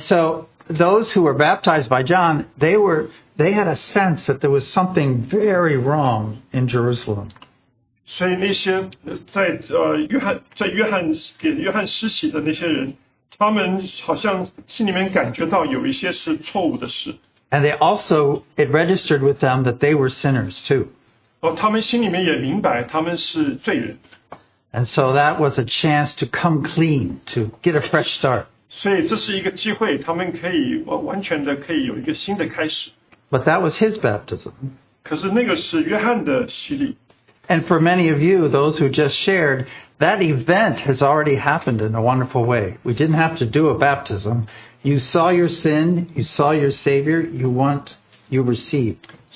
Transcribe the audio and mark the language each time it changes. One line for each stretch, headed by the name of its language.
English: so those who were baptized by John, they had a sense that there was something very wrong in Jerusalem.
Chinese: 所以那些在约翰给约翰施洗的那些人，他们好像心里面感觉到有一些是错误的事。
English: And they also it registered with them that they were sinners too.
Chinese: 哦，他们心里面也明白他们是罪人。
English: And so that was a chance to come clean, to get a fresh start.
Chinese: 所以这是一个机会，他们可以完全的可以有一个新的开始。
English: But that was his baptism. And for many of you, those who just shared, that event has already happened in a wonderful way. We didn't have to do a baptism. You saw your sin, you saw your Savior, you received.